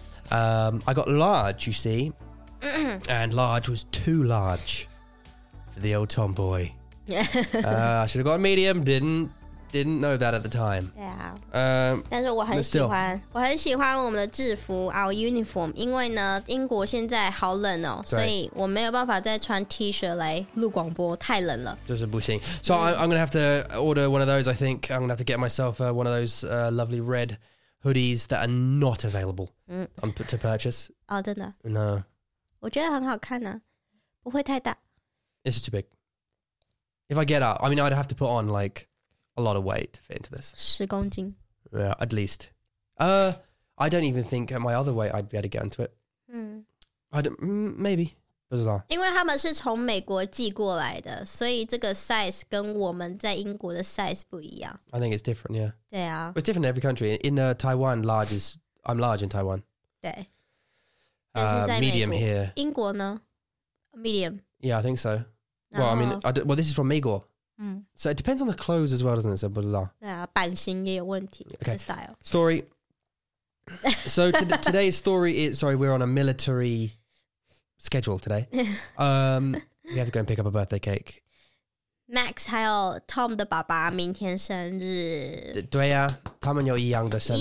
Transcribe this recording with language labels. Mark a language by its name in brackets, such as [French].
[English] I got large， you see， and large was too large for the old tomboy 。 I should have got a medium， didn't know that at the time. [Chinese] 对啊，但是我很喜欢，我很喜欢我们的制服 ， [English] our uniform. [Chinese] 因为呢，英国现在好冷哦，所以我没有办法再穿 T 恤来录广播，太冷了。就是不行。 [English] So I'm going to have to order one of those. I think I'm going to have to get myself one of those lovely red hoodies that are not available to purchase. [Chinese] 哦，真的？ [English] No. [Chinese] 我觉得很好看啊，不会太大。 [English] This is too big. If I get up, I mean, I'd have to put on like. A lot of weight to fit into this. [Chinese] 十公斤. [English] Yeah, at least. I don't even think at my other weight I'd be able to get into it. Maybe. [Chinese] 不知道. 因为他们是从美国寄过来的，所以这个 size 跟我们在英国的 size 不一样. [English] I think it's different, yeah. [Chinese] 对啊. [English] It's different in every country. In Taiwan, large is... I'm large in Taiwan. [Chinese] 对.但是在美国, [English] medium here. [Chinese] 英国呢?Medium. [English] Yeah, I think so. Well, this is from 美国.So it depends on the clothes as well, doesn't it? So blah, blah, blah. [Chinese] Yeah, 版型也有问题, [English] okay. Style. Story. So today's story is, sorry, we're on a military schedule today. We have to go and pick up a birthday cake. [Chinese] Max 还有 Tom 的爸爸明天生日。对啊，他们有一样的生日。